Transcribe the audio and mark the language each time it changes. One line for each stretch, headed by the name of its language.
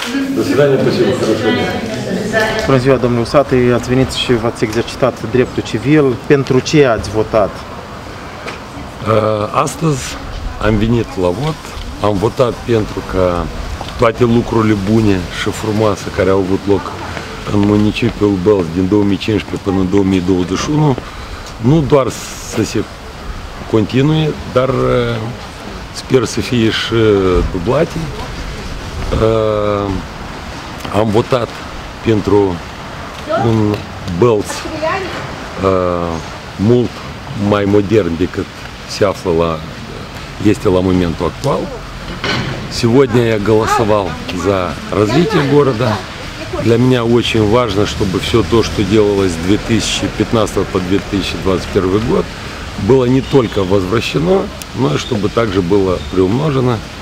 Russian: До свидания, спасибо, хорошего дня.
Romanian: Bună ziua, domnul Sat, ați venit și v-ați exercitat dreptul civil. Pentru ce ați votat? Astăzi am venit la vot. Am votat pentru că toate lucrurile bune și frumoase care au avut loc în municipiul Bălți din 2015 până în 2021 nu doar să se continue, dar sper să fie și dublate. Am votat pentru un Bălți mult mai modern decât se află la, este la momentul actual.
Russian: Сегодня я голосовал за развитие города. Для меня очень важно, чтобы все то, что делалось с 2015 по 2021 год, было не только возвращено, но и чтобы также было приумножено.